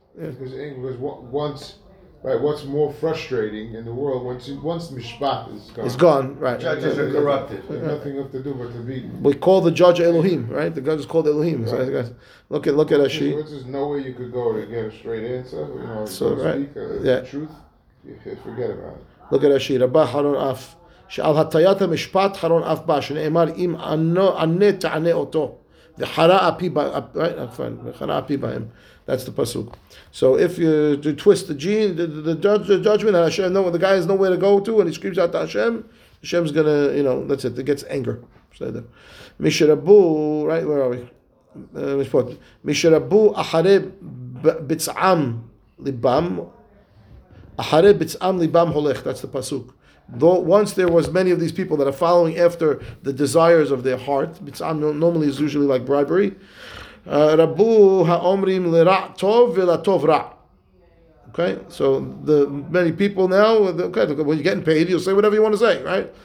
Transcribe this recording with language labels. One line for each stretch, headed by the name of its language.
English: Because once, right, what's more frustrating in the world, once mishpat is gone. It's gone, right. Judges are corrupted. Nothing left to do but to be. We call the judge Elohim, right? The judge is called Elohim. Right. So, look at Hashi. There's no way you could go to get a straight answer, you know, so, right. The truth. Forget about it. Look at Hashi. Rabba Haron Af.
Hebrew: שעל הטיית המשפט חרון אף בא, שנאמר, אם ענה תענה אותו, וחרה אפי בה,
English: right, fine,
Hebrew: וחרה אפי בהם.
English: That's the pasuk. So if you twist the judgment, and Hashem, no, the guy has nowhere to go to, and he screams out to Hashem, Hashem's gonna, you know, that's it, it gets anger. Mishrabu, right, where are we? Mishpot.
Hebrew: Mishrabu אחרי ביצעם ליבם, אחרי ביצעם ליבם הולך,
English: that's the pasuk. Though once there was many of these people that are following after the desires of their heart, bitzam normally is usually like bribery.
Hebrew: Rabu ha'omrim lera tov vela tov ra.
English: Okay, so the many people now, okay, when you're getting paid, you'll say whatever you want to say, right?